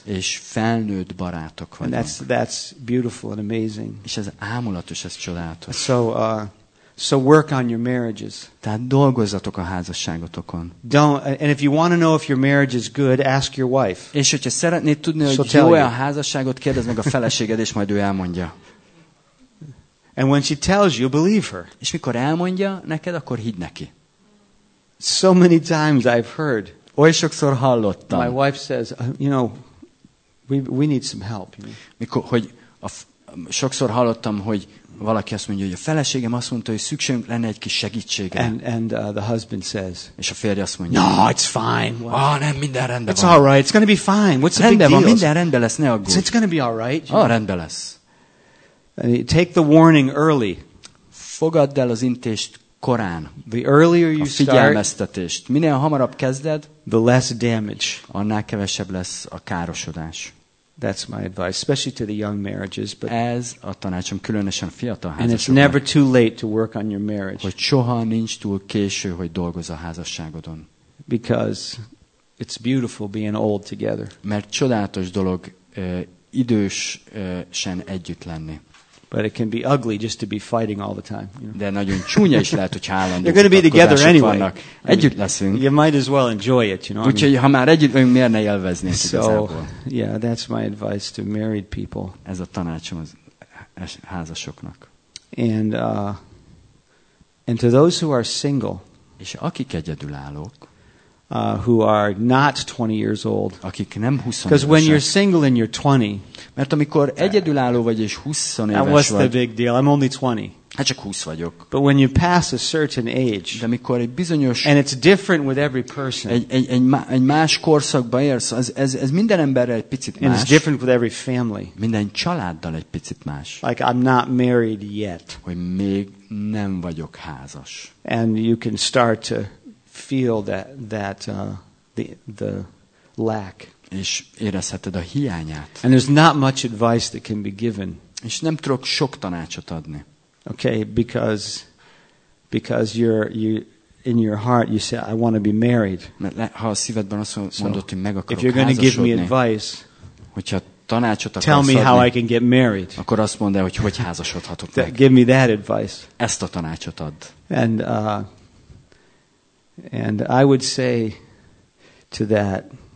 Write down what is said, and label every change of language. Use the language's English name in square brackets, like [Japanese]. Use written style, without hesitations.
[Hungarian] És felnőtt barátok vagyunk. [English] And that's beautiful and amazing. [Hungarian] És ez ámulatos, ez csodálatos. [English] So work on your marriages. [Hungarian] Tehát dolgozzatok a házasságotokon. [English] Don't, and if you want to know if your marriage is good, ask your wife. [Hungarian] És hogyha szeretnéd tudni, hogy jó-e a házasságot, kérdezd meg a feleséged, és majd ő elmondja. [English] And when she tells you, believe her. [Hungarian] És mikor elmondja neked, akkor hidd neki. [English] So many times I've heard. [Hungarian] Oly sokszor hallottam. [English] My wife says, you know, we need some help. [Hungarian] Mikor, hogy sokszor hallottam, hogy valaki azt mondja, hogy a feleségem azt mondta, hogy szükségünk lenne egy kis segítségre. [English] And the husband says. [Hungarian] És a férje azt mondja. [English] No, it's fine. [Hungarian] Ah, nem, minden rendben van. [English] It's all right. It's going to be fine. What's the big deal? [Hungarian] Rendben van, minden rendben lesz, ne aggódj. [English] It's going to be all right. [Hungarian] Ah, rendben lesz. [English] And take the warning early. [Hungarian] Fogadd el az intést korán. [English] The earlier you start, [Hungarian] a figyelmeztetést. Minél hamarabb kezded, [English] the less damage. [Hungarian] Annál kevesebb lesz a károsodás. [English] That's my advice, especially to the young marriages. But [Hungarian] ez a tanácsom különösen fiatal házasságoknak. [English] And it's never too late to work on your marriage. [Hungarian] Hogy soha nincs túl késő, hogy dolgozz a házasságodon. [English] Because it's beautiful being old together. [Hungarian] Mert csodálatos dolog idősen együtt lenni. [English] But it can be ugly just to be fighting all the time. You know? [Hungarian] De nagyon csúnya is lehet, hogy állandó. [English] You're going to be together anyway. [Hungarian] Együtt leszünk. [English] You might as well enjoy it, you know. [Hungarian] Úgyhogy, ha már együtt vagyunk, miért ne élveznénk igazából? [English] So, yeah, that's my advice to married people. [Hungarian] Ez a tanácsom az házasoknak. [English] And to those who are single. [Hungarian] És akik egyedülállók. [English] Who are not 20 years old. [Hungarian] Akik nem 20 éves. [English] Because when you're single and you're 20. [Hungarian] Mert amikor egyedülálló vagy és 20 éves vagy. [English] What's the big deal? I'm only 20. [Hungarian] Hát csak 20 vagyok. [English] But when you pass a certain age. [Hungarian] De amikor egy bizonyos. [English] And it's different with every person. [Hungarian] Egy más korszakba érsz. Ez minden emberrel egy picit más. [English] And it's different with every family. [Hungarian] Minden családdal egy picit más. [English] Like I'm not married yet. [Hungarian] Hogy még nem vagyok házas. [English] And you can start to feel that the lack. [Hungarian] És érezheted a hiányát. [English] And there's not much advice that can be given. [Hungarian] És nem tudok sok tanácsot adni. [English] Okay, because you in your heart you say I want to be married. [Hungarian] Mert ha a szívedben azt mondod, hogy meg akarok házasodni. [English] If you're going to give me advice, [Hungarian] hogyha tanácsot akarsz, [English] tell me [Hungarian] adni, [English] how I can get married. [Hungarian] Akkor azt mondd el, hogy házasodhatok meg. [English] Give me that advice. [Hungarian] Ezt a tanácsot add. [English] And I would say to that,